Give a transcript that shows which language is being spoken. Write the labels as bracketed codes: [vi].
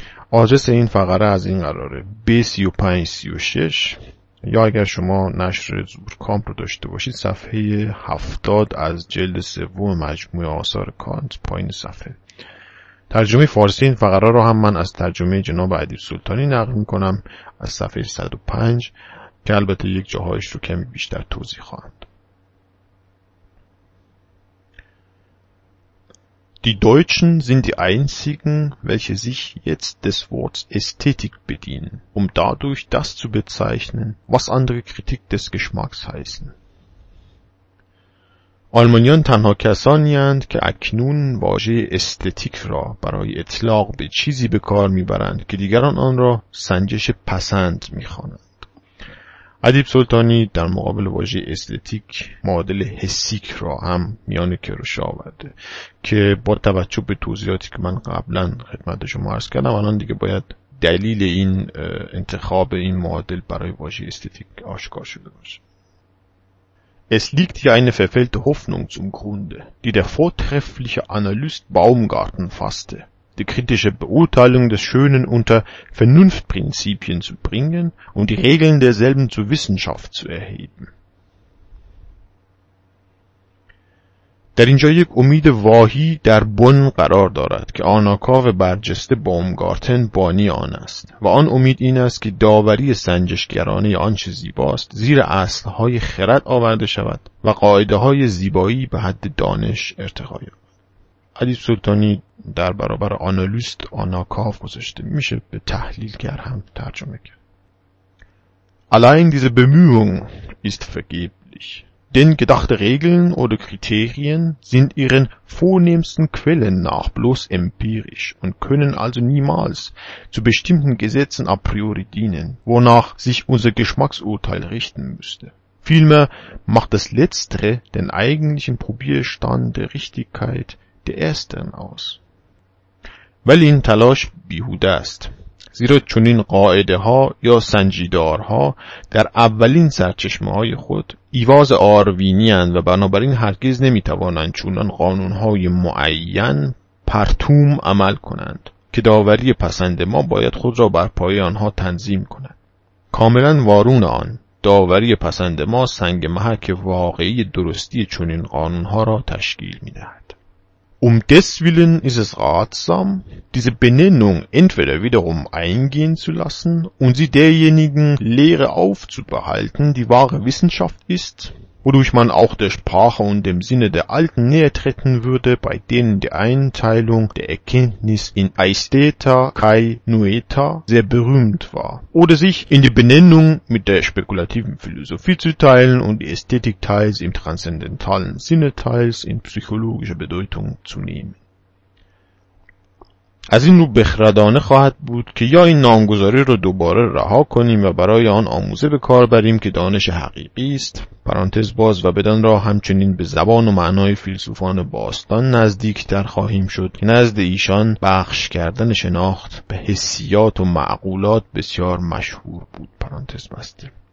[fa] آدرس این فقره از این قراره: B3536، یا اگر شما نشر زورکامپ رو داشته باشید صفحه 70 از جلد 3 مجموعه آثار کانت پایین صفحه. ترجمه فارسی این فقره رو هم من از ترجمه جناب ادیب سلطانی نقل میکنم از صفحه 105 که البته یک جاهایش رو کمی بیشتر توضیح خواهم. [de] Die Deutschen sind die einzigen, welche sich jetzt des Worts Ästhetik bedienen, um dadurch das zu bezeichnen, was andere Kritik des Geschmacks heißen. [fa] آلمانیان تنها کسانی هستند که اکنون واژه استتیک را برای اطلاق به چیزی به کار می‌برند که دیگران آن را سنجش پسند می‌خوانند. ادیب سلطانی در مقابل واژه استتیک معادل هسیک را هم میان کروش آورده که با توجه به توضیحاتی که من قبلا خدمت شما عرض کردم الان دیگه باید دلیل این انتخاب این معادل برای واژه استتیک آشکار شده باشه. [de] Es liegt hier eine verfehlte Hoffnung zum Grunde, die der vortreffliche Analyst Baumgarten fasste, die kritische Beurteilung des Schönen unter Vernunftprinzipien zu bringen und die Regeln derselben zur Wissenschaft zu erheben. [fa] در اینجا یک امید واهی در بن قرار دارد که آناکاو برجسته بومگارتن بانی آن است و آن امید این است که داوری سنجشگرانه آن چه زیباست زیر اصلهای خرد آورده شود و قاعده های زیبایی به حد دانش ارتقا یابد. ادیب سلطانی در برابر آنالیست آناکاو گذاشته، میشه به تحلیلگر هم ترجمه کرد. [de] Allein diese Bemühung ist vergeblich. Denn gedachte Regeln oder Kriterien sind ihren vornehmsten Quellen nach bloß empirisch und können also niemals zu bestimmten Gesetzen a priori dienen, wonach sich unser Geschmacksurteil richten müsste. Vielmehr macht das Letztere den eigentlichen Probierstand der Richtigkeit der Ersteren aus. [fa] Weil in Talosch bihuda ist. زیرا چنین قاعده ها یا سنجیدارها در اولین سرچشمه های خود ایواز آروینی هستند و بنابراین هرگز نمی توانند چونان قانون های معین پرتوم عمل کنند که داوری پسند ما باید خود را بر پای آنها تنظیم کند. کاملا وارون آن داوری پسند ما سنگ محک واقعی درستی چنین قانون ها را تشکیل می دهد. [de] Um des Willen ist es ratsam, diese Benennung entweder wiederum eingehen zu lassen und sie derjenigen Lehre aufzubehalten, die wahre Wissenschaft ist, wodurch man auch der Sprache und dem Sinne der Alten näher treten würde, bei denen die Einteilung der Erkenntnis in Aistheta kai Noeta sehr berühmt war, oder sich in die Benennung mit der spekulativen Philosophie zu teilen und die Ästhetik teils im transzendentalen Sinne teils in psychologische Bedeutung zu nehmen. [fa] از این رو بخردانه خواهد بود که یا این نامگذاری رو دوباره رها کنیم و برای آن آموزه به کار بریم که دانش حقیقی است، پرانتز باز، و بدان را همچنین به زبان و معنای فیلسوفان باستان نزدیک تر خواهیم شد که نزد ایشان بخش کردن شناخت به حسیات و معقولات بسیار مشهور بود، پرانتز بسته،